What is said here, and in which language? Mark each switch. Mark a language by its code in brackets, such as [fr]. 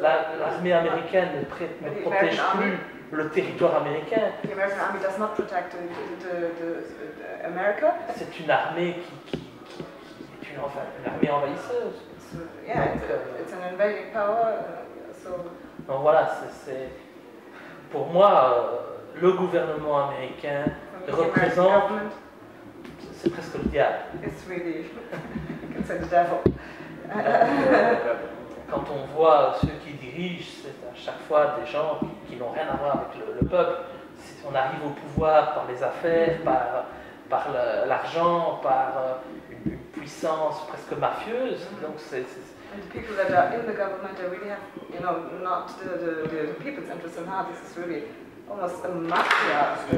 [fr] L'armée américaine ne protège plus le territoire américain. [en] The American army does not protect the America. [fr] C'est une armée qui est une armée envahisseuse. [en] It's an invading power. [fr] Donc voilà, c'est pour moi, le gouvernement américain représente, c'est presque le diable. [en] It's really, you can say the devil. [fr] Quand on voit ceux qui dirigent, dirige, c'est à chaque fois des gens qui n'ont rien à voir avec le peuple. Si on arrive au pouvoir par les affaires, par l'argent, par une puissance presque mafieuse, donc c'est [en] And the people that are in the government are really, have, you know, not the people's interests in heart. This is really almost a mafia.